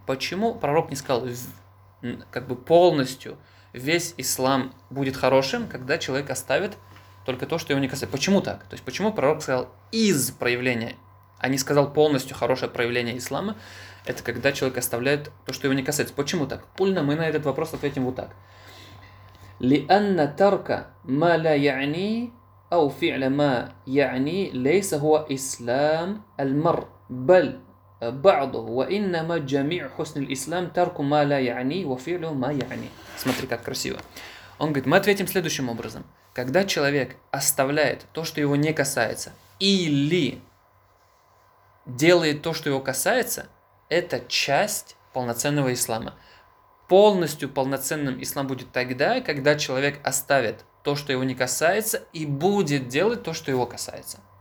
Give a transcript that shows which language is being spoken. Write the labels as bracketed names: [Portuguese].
[Russian] Почему пророк не сказал как бы полностью весь ислам будет хорошим, когда человек оставит только то, что его не касается? Почему так? То есть почему пророк сказал «из проявления», а не сказал «полностью хорошее проявление ислама»? Это когда человек оставляет то, что его не касается. Почему так? Кульна, мы на этот вопрос ответим вот так. [Arabic] لأن ترك ما لا يعني أو فعل ما يعني ليس هو إسلام المرء بل بعضه وإنما جميع حسن الإسلام ترك ما لا يعني وفعله ما يعني. [Russian] Смотри, как красиво. Он говорит, мы ответим следующим образом. Когда человек оставляет то, что его не касается, или делает то, что его касается, это часть полноценного ислама. Полностью полноценным ислам будет тогда, когда человек оставит то, что его не касается, и будет делать то, что его касается.